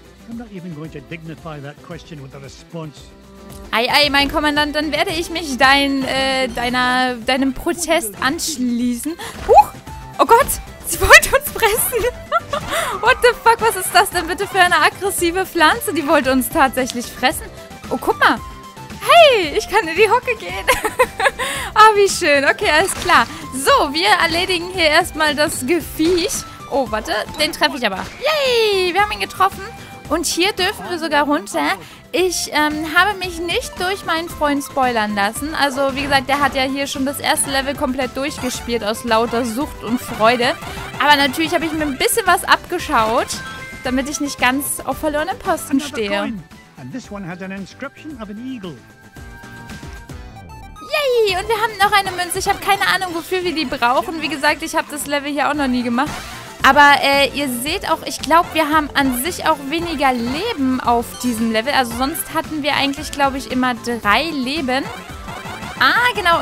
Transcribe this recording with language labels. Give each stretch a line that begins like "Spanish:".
English: I'm not even going to dignify that question with a response.
German: Ei, ei, mein Kommandant, dann werde ich mich deinem Protest anschließen. Huch! Oh Gott! Sie wollte uns fressen!
English: What the fuck?
German: Was ist das denn bitte für eine aggressive Pflanze? Die wollte uns tatsächlich fressen. Oh, guck mal! Hey, ich kann in die Hocke gehen. Ah, oh, wie schön. Okay, alles klar. So, wir erledigen hier erstmal das Geviech. Oh, warte, den treffe ich aber. Yay, wir haben ihn getroffen. Und hier dürfen wir sogar runter. Ich habe mich nicht durch meinen Freund spoilern lassen. Also, wie gesagt, der hat ja hier schon das erste Level komplett durchgespielt aus lauter Sucht und Freude. Aber natürlich habe ich mir ein bisschen was abgeschaut, damit ich nicht ganz auf verlorenen Posten stehe.
English: And this one has an inscription of an eagle. Yay!
German: Und wir haben noch eine Münze. Ich habe keine Ahnung, wofür wir die brauchen. Wie gesagt, ich habe das Level hier auch noch nie gemacht. Aber ihr seht auch, ich glaube, wir haben an sich auch weniger Leben auf diesem Level. Also sonst hatten wir eigentlich, glaube ich, immer 3 Leben. Ah, genau.